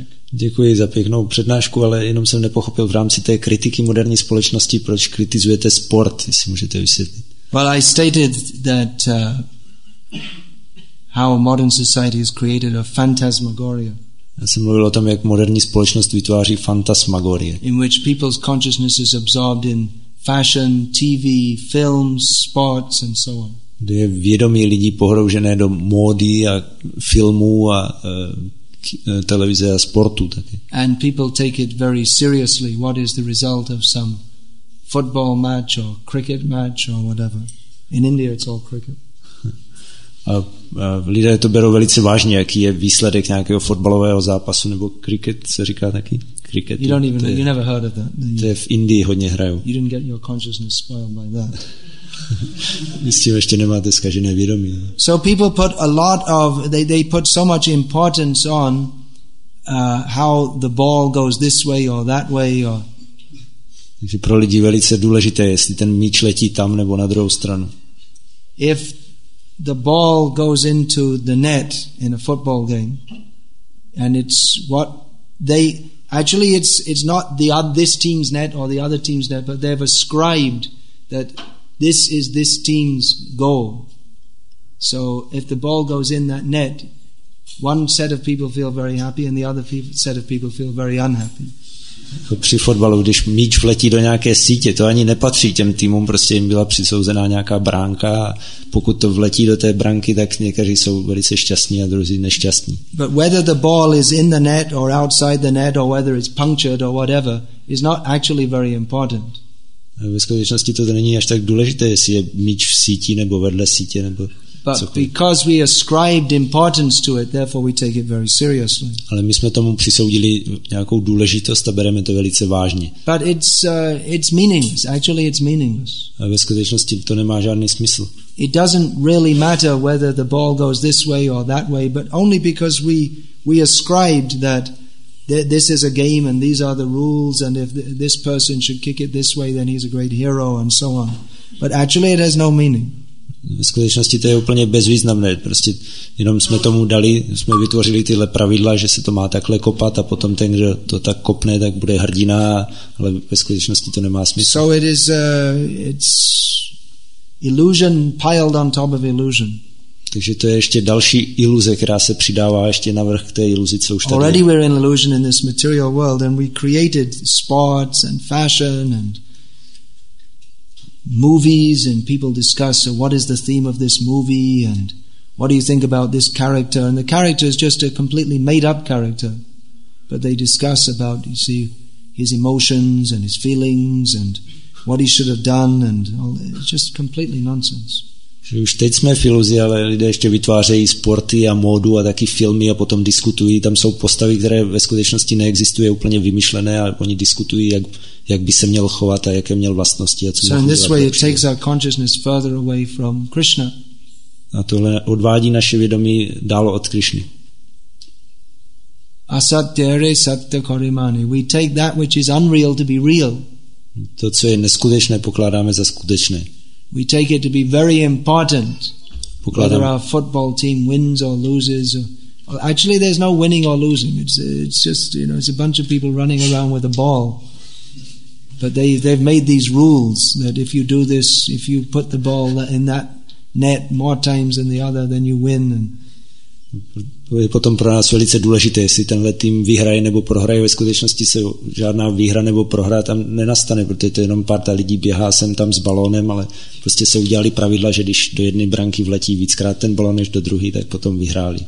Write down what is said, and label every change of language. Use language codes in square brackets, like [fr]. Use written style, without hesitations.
[cs] Děkuji za pěknou přednášku, ale jenom jsem nepochopil v rámci té kritiky moderní společnosti, proč kritizujete sport, jestli můžete vysvětlit. [en] Well, I stated that how a modern society has created a phantasmagoria. [cs] Já jsem mluvil o tom, jak moderní společnost vytváří fantasmagorie. [en] In which people's consciousness is absorbed in fashion, TV, films, sports and so on. [cs] Kde je vědomí lidí pohroužené do módy a filmů a televize a sportu taky. [en] And people take it very seriously. What is the result of some football match or cricket match or whatever? In India it's all cricket. [cs] A lidé to berou velice vážně, jaký je výsledek nějakého fotbalového zápasu nebo cricket, se říká taky? [en] Cricket. You don't even know, you never heard of that. [cs] To je v Indii hodně hrajou. [en] You didn't get your consciousness spoiled by that. [cs] Vy s tím ještě nemáte zkažené vědomí. Ne? [en] So people put a lot of, they put so much importance on how the ball goes this way or that way or... [cs] Takže pro lidi velice důležité, jestli ten míč letí tam nebo na druhou stranu. [en] If the ball goes into the net in a football game, and it's what they actually, it's not the this team's net or the other team's net, but they've ascribed that this is this team's goal. So if the ball goes in that net, one set of people feel very happy and the other set of people feel very unhappy. [cs] Při fotbalu, když míč vletí do nějaké sítě, to ani nepatří těm týmům, prostě jim byla přisouzená nějaká bránka a pokud to vletí do té branky, tak někteří jsou velice šťastní a druzí nešťastní. [en] But whether the ball is in the net or outside the net or whether it's punctured or whatever is not actually very important. [cs] Ve skutečnosti to není až tak důležité, jestli je míč v síti nebo vedle sítě nebo [en] but because we ascribed importance to it, therefore we take it very seriously. [cs] Ale my jsme tomu přisoudili nějakou důležitost a bereme to velice vážně. [en] But it's meaningless. Actually, it's meaningless. [cs] A ve skutečnosti to nemá žádný smysl. [en] It doesn't really matter whether the ball goes this way or that way, but only because we ascribed that this is a game and these are the rules and if this person should kick it this way, then he's a great hero and so on. But actually, it has no meaning. [cs] Ve skutečnosti to je úplně bezvýznamné. Prostě jenom jsme tomu dali, jsme vytvořili tyhle pravidla, že se to má takhle kopat a potom ten, kdo to tak kopne, tak bude hrdina, ale ve skutečnosti to nemá smysl. [en] So it is it's illusion piled on top of illusion. [cs] Takže to je ještě další iluze, která se přidává ještě navrch k té iluzi, co už tady. [en] Already we're in illusion in this material world and we created sports and fashion and movies and people discuss so what is the theme of this movie and what do you think about this character and the character is just a completely made up character but they discuss about you see his emotions and his feelings and what he should have done and all that. It's just completely nonsense. [cs] Že už teď jsme v iluzi, ale lidé ještě vytvářejí sporty a módu a taky filmy a potom diskutují. Tam jsou postavy, které ve skutečnosti neexistují, úplně vymyšlené a oni diskutují, jak by se měl chovat a jaké měl vlastnosti a co so měl chovat. A tohle odvádí naše vědomí dál od Krišny. [bn] Asatyare satya karimani. [en] We take that which is unreal to be real. [cs] To, co je neskutečné, pokládáme za skutečné. [en] We take it to be very important whether our football team wins or loses. Or actually, there's no winning or losing. It's just, you know, it's a bunch of people running around with a ball. But they've made these rules that if you do this, if you put the ball in that net more times than the other, then you win. And [cs] je potom pro nás velice důležité, jestli tenhle tým vyhraje nebo prohraje. Ve skutečnosti se žádná výhra nebo prohra tam nenastane, protože to jenom pár lidí běhá sem tam s balónem, ale prostě se udělali pravidla, že když do jedné branky vletí víckrát ten balón než do druhý, tak potom vyhráli.